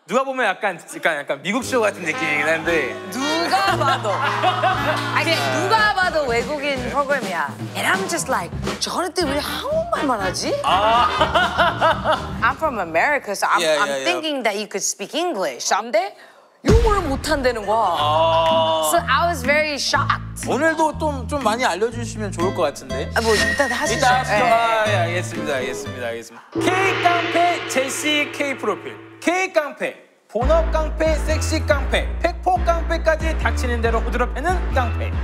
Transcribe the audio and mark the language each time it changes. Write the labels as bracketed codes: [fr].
[ko] 누가 보면 약간 미국 쇼 같은 느낌이긴 한데. 누가 봐도. 아니, 누가 봐도 외국인 프로그램이야. [en] And I'm just like, Jonathan, [ko] 왜 한국말만 하지? [en] I'm from America, so I'm thinking that you could speak English. [ko] 근데 영어를 못한다는 거야. [en] So I was very shocked. [ko] 오늘도 좀 많이 알려주시면 좋을 것 같은데. 아, 뭐 일단 하시죠. 일단 하시죠. 네. 아, 예, 알겠습니다. K깡패 제시 K프로필. K깡패, 본업깡패, 섹시깡패, 팩폭깡패까지 닥치는 대로 후드럽히는 깡패.